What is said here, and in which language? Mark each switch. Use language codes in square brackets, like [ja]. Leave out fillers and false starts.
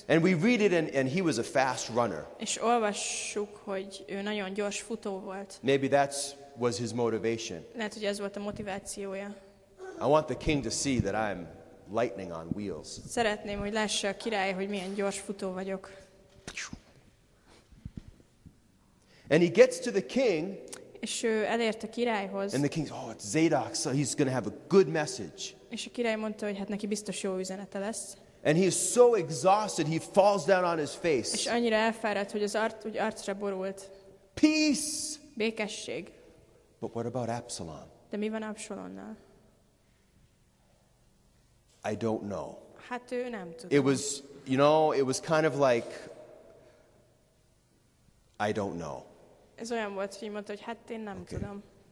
[en] And we read it and he was a fast runner. [hu] És olvassuk, hogy ő nagyon gyors futó volt. [en] Maybe that was his motivation. [hu] Lehet, hogy ez volt a motivációja. [en] I want the king to see that I'm lightning on wheels. [hu] Szeretném, hogy lássa a király, hogy milyen gyors futó vagyok. [en] And he gets to the king. [hu] És ő elért a királyhoz. [en] And the king said, "Oh, it's Zadok, so he's going to have a good message." [hu] És a király mondta, hogy hát neki biztos jó üzenete lesz. [en] And he is so exhausted, he falls down on his face. [hu] És annyira elfáradt, hogy az arcra borult. [en] Peace! [hu] Békesség. [en] But what about Absalom? [hu] De mi van Absalonnal? [en] I don't know. [hu] Hát ő nem tudom. [en] It was kind of like, I don't know. [hu] Ez olyan volt, hogy mondta, hogy hát én nem tudom.